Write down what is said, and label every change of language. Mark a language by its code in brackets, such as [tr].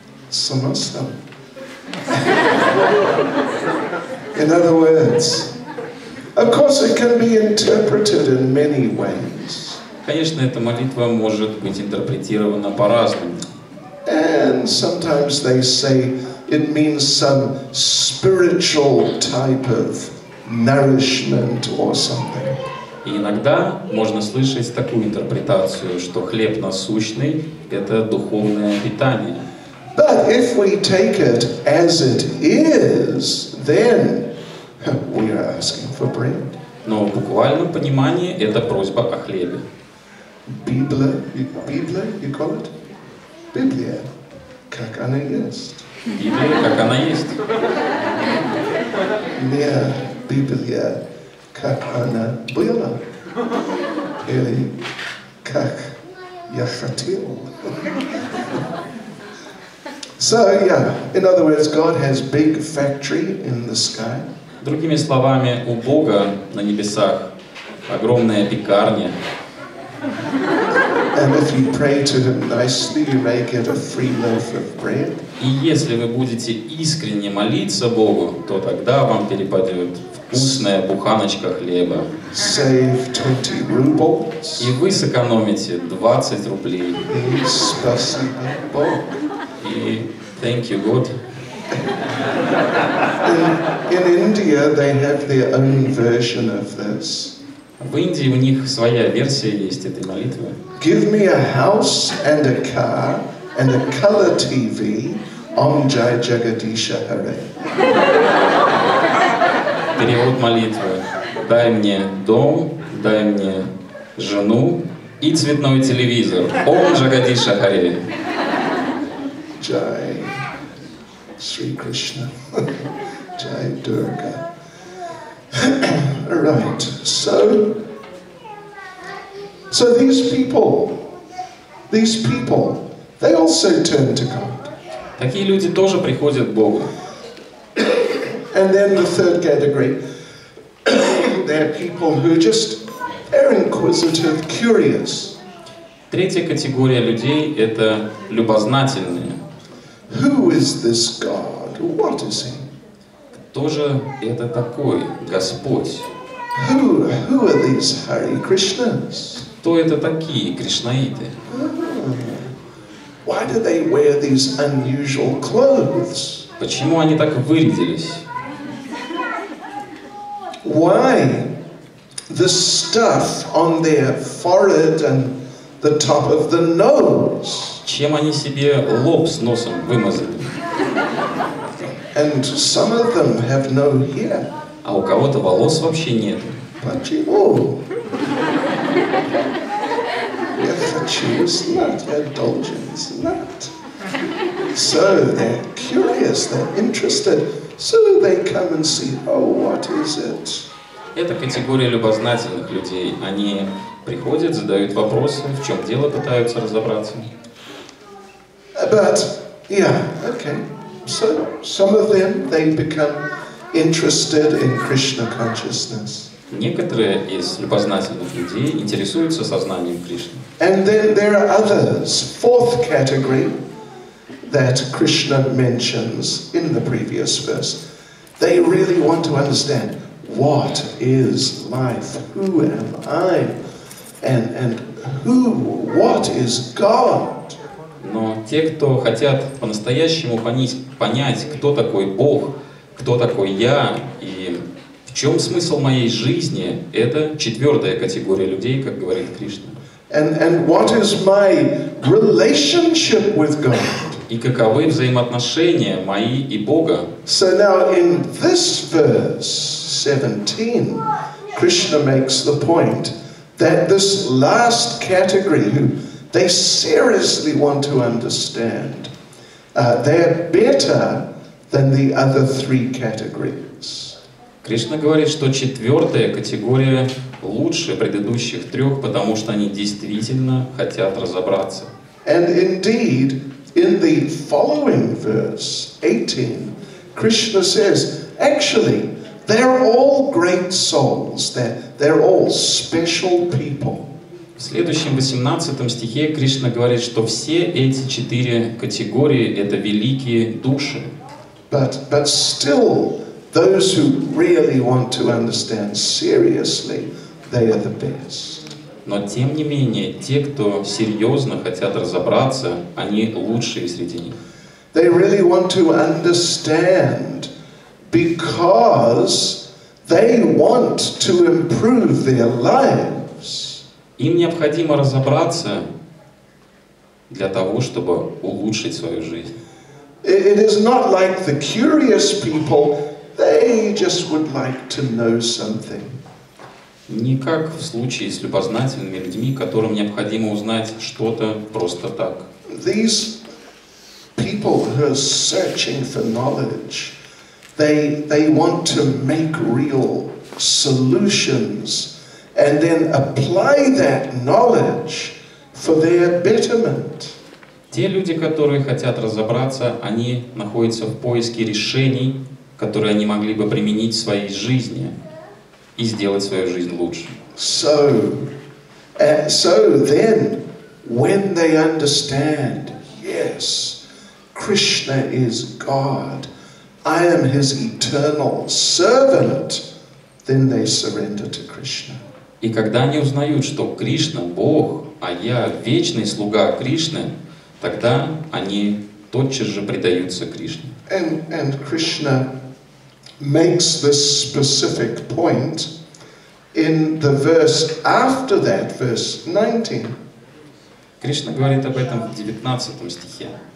[ru] Самосам. [en] In other words, of course, it can be interpreted in many ways. [ru] Конечно, эта молитва может быть интерпретирована по-разному. [en] And sometimes they say it means some spiritual type of nourishment or something. [ru] И иногда можно слышать такую интерпретацию, что хлеб насущный — это духовное питание. [en] But if we take it as it is, then we are asking for bread. [ru] Но в буквальном понимании это просьба о хлебе. Библия, Библия, [en] you call it? [ru] Библия, как она есть. Библия, как она есть. Не Библия, как она была. Или как я хотел. [en] So yeah, in other words, God has big factory in the sky. [ru] Другими словами, у Бога на небесах огромная пекарня. [en] And if you pray to him nicely, you may get a free loaf of bread. [ru] И если вы будете искренне молиться Богу, то тогда вам перепадет вкусная буханочка хлеба. [en] Save 20 rubles. [ru] И вы сэкономите 20 рублей. Спасибо Богу. И [en] thank you God. In India they have their own version of this. [ru] В Индии у них своя версия есть этой молитвы. [en] Give me a house and a car and a color TV on Jai Jagadisha Hare. [ru] Перевод молитвы. Дай мне дом, дай мне жену и цветной телевизор. Ом Джагадиша Харе. Джай Шри Кришна. Джай Дурга. [en] Right. So these people, they also turn to God. [ru] Такие люди тоже приходят к Богу. [en] And then the third category. They're people who just are inquisitive, curious. [ru] Третья категория людей — это любознательные. [en] Who is this God? What is he? [ru] Кто же это такой Господь? [en] Who are these Hare Krishnas? [ru] Кто это такие Кришнаиты? [en] Why do they wear these unusual clothes? [ru] Почему они так вырядились? [en] Why the stuff on their forehead and the top of the nose? [ru] Чем они себе лоб с носом вымазали? [en] And some of them have no hair. [ru] А у кого-то волос вообще нет. Почему? Это чувствует [en] indulgence, not. So they're curious, they're interested. So they come and see, oh, what is it? [ru] Это категория любознательных людей. Они приходят, задают вопросы, в чем дело, пытаются разобраться. [en] But, yeah, okay. So, some of them, they become interested in Krishna consciousness. [ru] Некоторые из любознательных людей интересуются сознанием Кришны. [en] And then there are others, fourth category, that Krishna mentions in the previous verse. They really want to understand. What is life? Who am I? And who? What is God? [ru] Но те, кто хотят по-настоящему понять, кто такой Бог, кто такой я и в чем смысл моей жизни, это четвертая категория людей, как говорит Кришна. [en] And what is my relationship with God? [ru] И каковы взаимоотношения мои и Бога? [en] So now in this verse 17, Krishna makes the point that this last category, who they seriously want to understand, they're better than the other three categories. [ru] Кришна говорит, что четвертая категория лучше предыдущих трех, потому что они действительно хотят разобраться. [en] And indeed, in the following verse 18, Krishna says, actually, they're all great souls. They're all special people. [ru] В следующем 18 стихе Кришна говорит, что все эти четыре категории — это великие души. [en] But still, those who really want to understand seriously, they are the best. [ru] Но тем не менее, те, кто серьезно хотят разобраться, они лучшие среди них. [en] They really want to understand because they want to improve their lives. [ru] Им необходимо разобраться для того, чтобы улучшить свою жизнь. [en] It is not like the curious people, they just would like to know something. [ru] Не как в случае с любознательными людьми, которым необходимо узнать что-то просто так. [en] These people who are searching for knowledge, they want to make real solutions and then apply that knowledge for their betterment. [ru] Те люди, которые хотят разобраться, они находятся в поиске решений, которые они могли бы применить в своей жизни. И сделать свою жизнь лучше. [en] So then when they understand, yes, Krishna is God, I am his eternal servant, then they surrender to Krishna. [ru] И когда они узнают, что Кришна — Бог, а я — вечный слуга Кришны, тогда они тотчас же предаются Кришне. [en] And Krishna makes this specific point in the verse after that, verse 19. [ru] Кришна говорит об этом в 19 стихе.